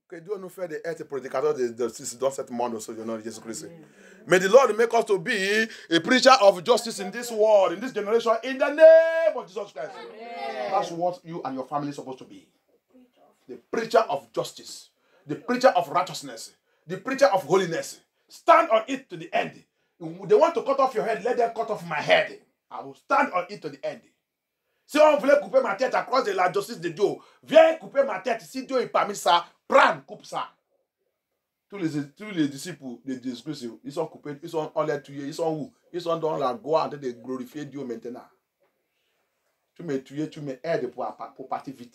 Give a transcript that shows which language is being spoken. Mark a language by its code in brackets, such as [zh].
[fr] Que Dieu nous fait d'être prédicateur de justice dans ce monde au nom de Jésus-Christ. [en] May the Lord make us to be a preacher of justice in this world, in this generation, in the name of Jesus Christ. Amen. That's what you and your family are supposed to be. The preacher of justice, the preacher of righteousness, the preacher of holiness. Stand on it to the end. They want to cut off your head, let them cut off my head. I will stand on it to the end. [fr] Si on voulait couper ma tête à cause de la justice de Dieu, viens couper ma tête. Si Dieu est parmi ça, prends, coupe ça. Tous les disciples de Jésus-Christ, ils sont coupés, ils sont on les tués, ils sont où? Ils sont dans la gloire en train de glorifier Dieu maintenant. Tu me tues, tu me aides pour partir vite.